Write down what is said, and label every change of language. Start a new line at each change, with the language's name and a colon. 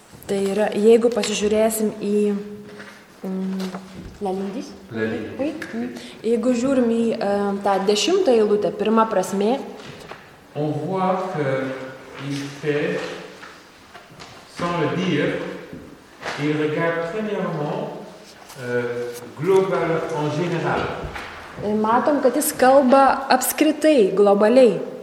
Lithuanian: tai yra, jeigu pasižiūrėsim į La lindis.
French: Oui.
Lithuanian: Jeigu žiūrim į tą dešimtą eilutę, pirmą prasmę.
French: On voit que il fait, sans le dire, il regarde premièrement global en général.
Lithuanian: Matom, kad jis kalba apskritai, globaliai.